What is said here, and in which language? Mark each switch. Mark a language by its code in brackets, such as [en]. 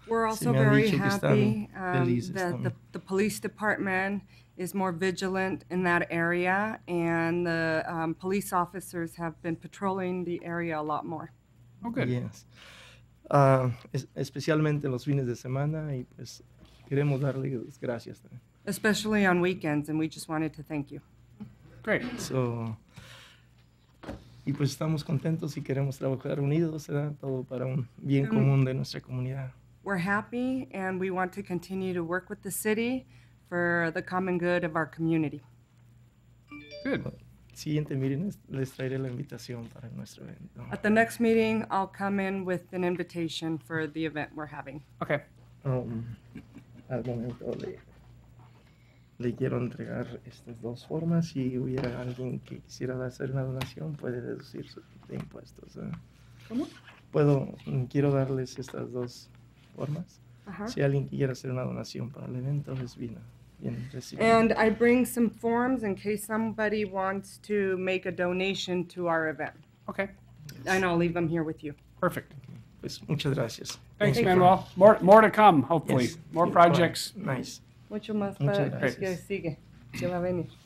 [en] We're also very happy that the police department is more vigilant in that area, and the police officers have been patrolling the area a lot more. Okay. [es] Yes. Especialmente los fines de semana y pues... Queremos darle las gracias. [en] Especially on weekends, and we just wanted to thank you. Great. [es] So, y pues estamos contentos y queremos trabajar unidos, ¿verdad? Todo para un bien común de nuestra comunidad. [en] We're happy, and we want to continue to work with the city for the common good of our community. Good. [es] Siguiente meeting, les traeré la invitación para nuestro evento. [en] At the next meeting, I'll come in with an invitation for the event we're having. Okay. [es] Al momento le quiero entregar estas dos formas y si hubiera alguien que quisiera hacer una donación puede deducir de impuestos. ¿Cómo? Puedo, quiero darles estas dos formas. Si alguien quiere hacer una donación para el evento es bien recibido. [en] And I bring some forms in case somebody wants to make a donation to our event. Okay. Yes. And I'll leave them here with you. Perfect. [es] Pues muchas gracias. [en] Thanks, Manuel. More to come, hopefully. Yes. More projects. Nice. [es] Mucho más para que sigue. Se va a venir.